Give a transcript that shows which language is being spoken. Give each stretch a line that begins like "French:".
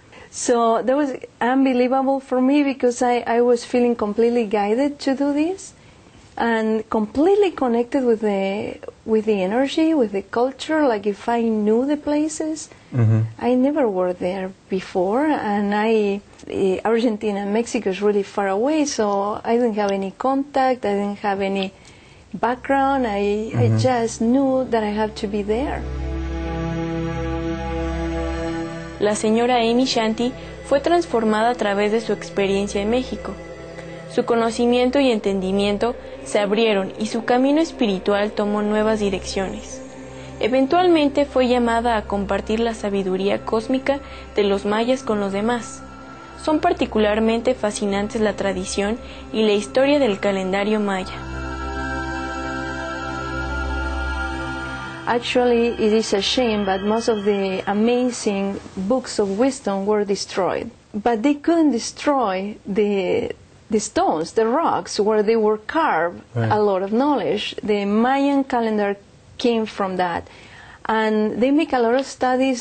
English: So that was unbelievable for me, because I was feeling completely guided to do this and completely connected with the energy, with the culture, like if I knew the places. I never were there before, and Argentina and Mexico is really far away, so I didn't have any contact, I didn't have any background, I just knew that I had to be there.
Spanish: La señora Amy Shanti fue transformada a través de su experiencia en México. Su conocimiento y entendimiento se abrieron y su camino espiritual tomó nuevas direcciones. Eventualmente fue llamada a compartir la sabiduría cósmica de los mayas con los demás. Son particularmente fascinantes la tradición y la historia del calendario maya.
English: Actually, it is a shame, but most of the amazing books of wisdom were destroyed. But they couldn't destroy the stones, the rocks, where they were carved, right. A lot of knowledge. The Mayan calendar came from that. And they make a lot of studies.